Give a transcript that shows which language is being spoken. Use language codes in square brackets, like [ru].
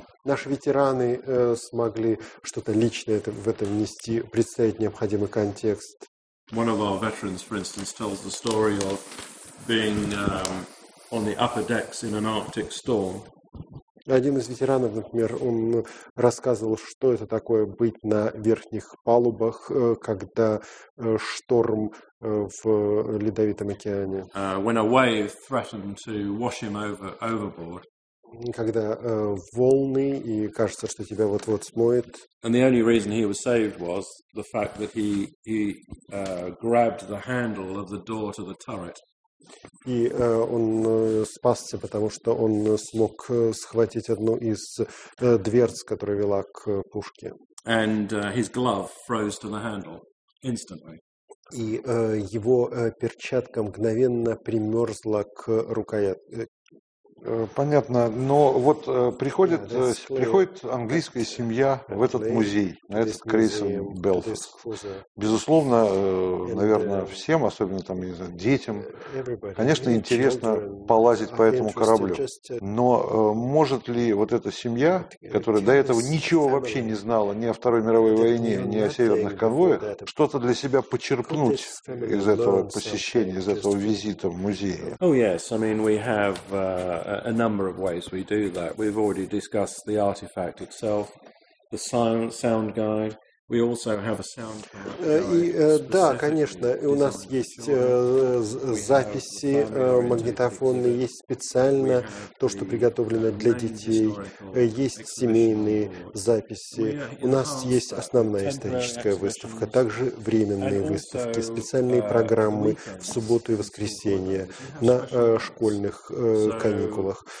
[ru] наши ветераны смогли что-то личное в этом внести, представить необходимый контекст. [en] One of our veterans, for instance, tells the story of being on the upper decks in an Arctic storm. [ru] Один из ветеранов, например, он рассказывал, что это такое быть на верхних палубах, когда шторм в Ледовитом океане. [en] When a wave threatened to wash him over overboard. [ru] Когда волны, и кажется, что тебя вот-вот смоет. [en] And the only reason he was saved was the fact that he grabbed the handle of the door to the turret. [ru] И он спасся, потому что он смог схватить одну из дверц, которая вела к пушке. [en] And his glove froze to the handle instantly. [ru] И его перчатка мгновенно примерзла к рукоятке. Понятно, но вот приходит, приходит английская семья в этот музей, на этот крейсер Белфаст. Безусловно, наверное, всем, особенно там, не знаю, детям, конечно, интересно полазить по этому кораблю. Но может ли вот эта семья, которая до этого ничего вообще не знала ни о Второй мировой войне, ни о северных конвоях, что-то для себя почерпнуть из этого посещения, из этого визита в музей? [en] A number of ways we do that. We've already discussed the artifact itself, the sound guide. We also have a sound guide. [ru] И да, конечно, у нас есть записи магнитофонные, есть специально то, что приготовлено для детей, есть семейные записи. У нас есть основная историческая выставка, также временные выставки, специальные программы в субботу и воскресенье на школьных каникулах.